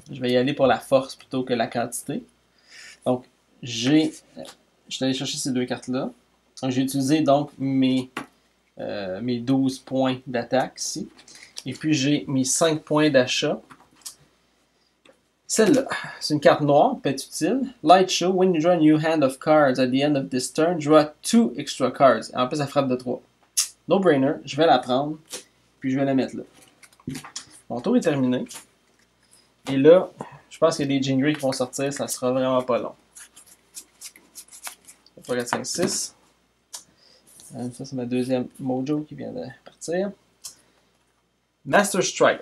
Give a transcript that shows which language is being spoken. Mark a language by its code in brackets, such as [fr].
[fr] Je vais y aller pour la force plutôt que la quantité. Donc, j'ai. Je suis allé chercher ces 2 cartes-là. J'ai utilisé donc mes 12 points d'attaque ici. Et puis j'ai mes 5 points d'achat. Celle-là, c'est une carte noire, peut-être utile. [en] Light Show, when you draw a new hand of cards at the end of this turn, draw 2 extra cards. [fr] En plus, ça frappe de 3. [en] No brainer, [fr] je vais la prendre. Puis je vais la mettre là. Mon tour est terminé. Et là, je pense qu'il y a des Jean Grey qui vont sortir. Ça sera vraiment pas long. 3, 4, 5, 6. Ça, c'est ma deuxième Mojo qui vient de partir. Master Strike.